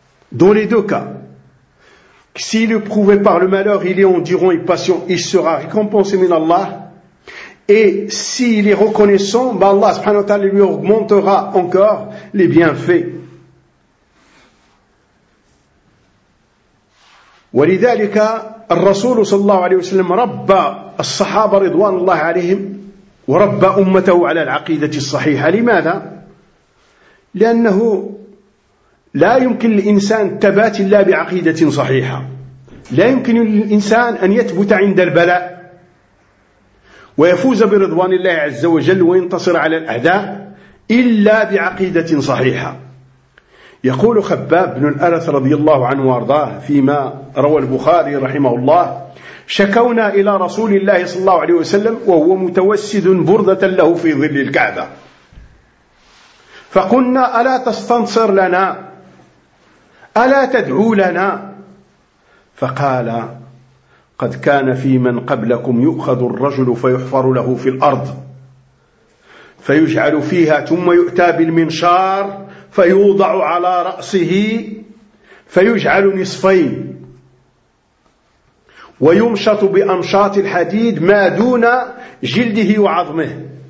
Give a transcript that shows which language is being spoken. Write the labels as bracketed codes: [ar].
[fr] Dans les deux cas, s'il est prouvé par le malheur, il est endurant et patient, il sera récompensé min Allah. Et s'il est reconnaissant, Allah subhanahu wa ta'ala lui augmentera encore les bienfaits. [ar] ولذلك الرسول صلى الله عليه وسلم ربى الصحابة رضوان الله عليهم وربى أمته على العقيدة الصحيحة. لماذا؟ لأنه لا يمكن للإنسان ثبات إلا بعقيدة صحيحة. لا يمكن للإنسان أن يثبت عند البلاء ويفوز برضوان الله عز وجل وينتصر على الأعداء إلا بعقيدة صحيحة. يقول خباب بن الأرث رضي الله عنه وارضاه فيما روى البخاري رحمه الله، شكونا إلى رسول الله صلى الله عليه وسلم وهو متوسد بردة له في ظل الكعبة، فقلنا ألا تستنصر لنا؟ ألا تدعو لنا؟ فقال قد كان في من قبلكم يؤخذ الرجل فيحفر له في الأرض فيجعل فيها ثم يؤتى بالمنشار فيوضع على رأسه فيجعل نصفين ويمشط بأمشاط الحديد ما دون جلده وعظمه